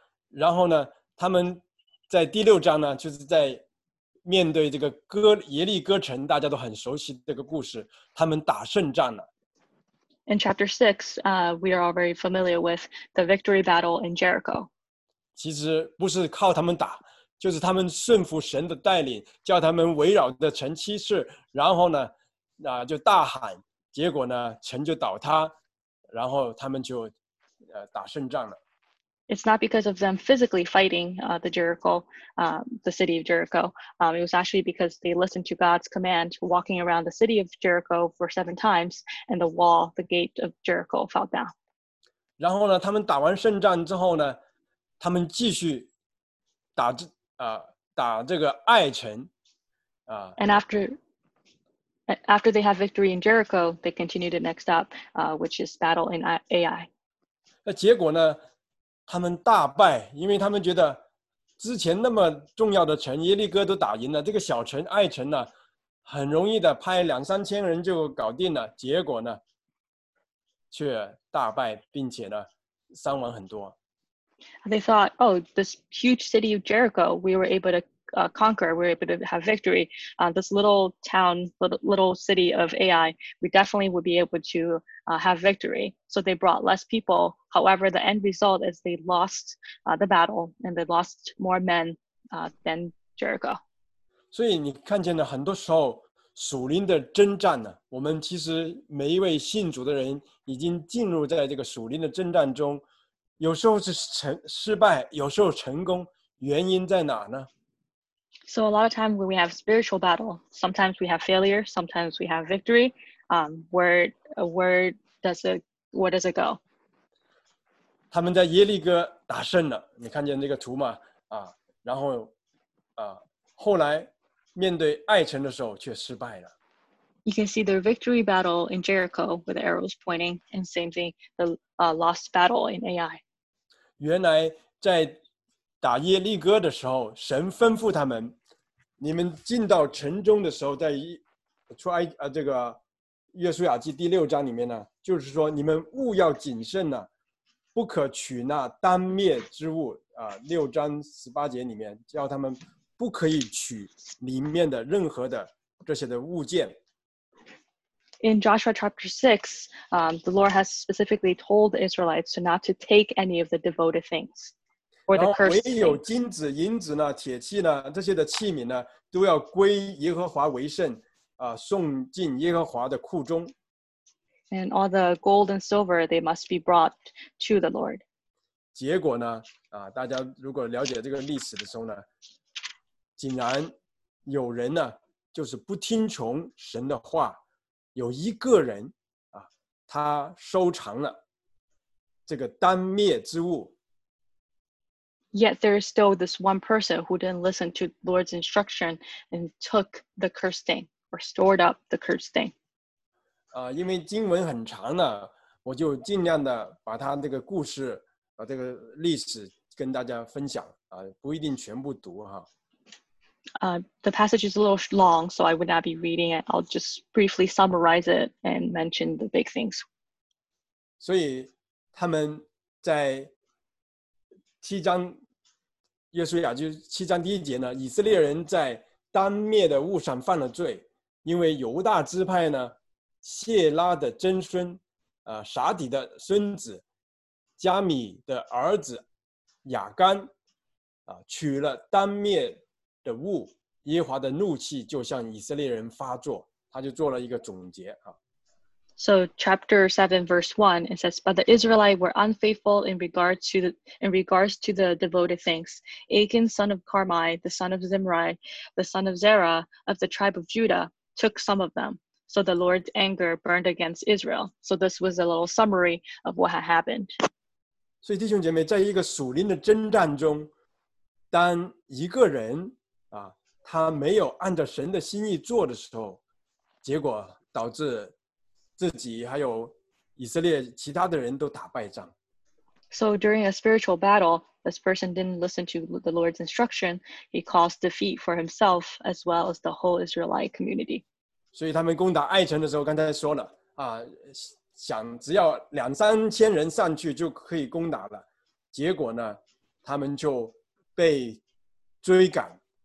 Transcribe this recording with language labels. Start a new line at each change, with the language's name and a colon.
Chinese: 然后呢，他们在第六章呢，就是在面对这个耶利哥城，大家都很熟悉这个故事，他们打胜仗了。
English: In chapter 6, we are all very familiar with the victory battle in Jericho.
Chinese: 其实不是靠他们打，就是他们顺服神的带领，叫他们围绕的城七次，然后呢，就大喊，结果呢，城就倒塌，然后他们就打胜仗了。
English: It's not because of them physically fighting the city of Jericho. It was actually because they listened to God's command, walking around the city of Jericho for 7 times, and the gate of Jericho fell down.
Chinese: 然后呢，他们打完胜仗之后呢，他们继续打这打这个爱城啊。
English: And after they have victory in Jericho, they continue the next step, which is battle in Ai.
Chinese: 那结果呢？他们大败，因为他们觉得之前那么重要的城耶利哥都打赢了，这个小城爱城呢，很容易的派两三千人就搞定了，结果呢，却大败，并且呢，伤亡很多。
English: They thought, oh, this huge city of Jericho, we were able to conquer, we were able to have victory. This little town, little city of Ai, we definitely would be able to have victory. So they brought less people. However, the end result is they lost the battle and they lost more men than Jericho.
Chinese: 所以你看见了很多时候属灵的征战呢，我们其实每一位信主的人已经进入在这个属灵的征战中，有时候是失败，有时候成功，原因在哪呢？
English: So a lot of time when we have spiritual battle, sometimes we have failure, sometimes we have victory. Where does it go?
Chinese: 他们在耶利哥打胜了，你看见这个图吗？然后后来面对爱城的时候却失败了。
English: You can see their victory battle in Jericho with arrows pointing, and same thing, the lost battle in Ai.
Chinese: 原来在打耶利哥的时候，神吩咐他们，你们进到城中的时候，在这个约书亚记第六章里面呢，就是说你们务要谨慎呢，不可取那当灭之物啊。六章十八节里面叫他们不可以取里面的任何的这些的物件。
English: In Joshua chapter 6, the Lord has specifically told the Israelites to not to take any of the devoted things or the cursed things.
Chinese: 然后唯有金子、银子呢、铁器呢、这些的器皿呢，都要归耶和华为圣，送进耶和华的库中。
English: And all the gold and silver, they must be brought to the Lord.
Chinese: 结果呢，大家如果了解这个历史的时候呢，竟然有人呢，就是不听从神的话。有一个人他收藏了这个当灭之物。
English: Yet there is still this one person who didn't listen to the Lord's instruction and took the cursed thing or stored up the cursed thing.
Chinese: 因为经文很长呢，我就尽量的把他这个故事把这个历史跟大家分享不一定全部读哈。
English: The passage is a little long, so I would not be reading it. I'll just briefly summarize it and mention the big things.
Chinese: 所以他们在七章约书亚就七章第一节呢，以色列人在当灭的物上犯了罪，因为犹大支派呢，谢拉的曾孙，撒底的孙子，加米的儿子亚干，取了当灭。的物，耶和华的怒气就向以色列人发作，他就做了一个总结。
English: So chapter 7 verse 1 it says, but the Israelites were unfaithful in regards to the devoted things. Achan son of Carmi, the son of Zimri, the son of Zerah of the tribe of Judah, took some of them. So the Lord's anger burned against Israel. So this was a little summary of what had happened.
Chinese: 所以弟兄姐妹，在一个属灵的征战中，当一个人他没有按照神的心意做的时候，结果导致自己还有以色列其他的人都打败仗。
English: So during a spiritual battle, this person didn't listen to the Lord's instruction. He caused defeat for himself as well as the whole Israelite community.
Chinese: 所以他们攻打爱城的时候，刚才说了想只要两三千人上去就可以攻打了，结果呢，他们就被追赶。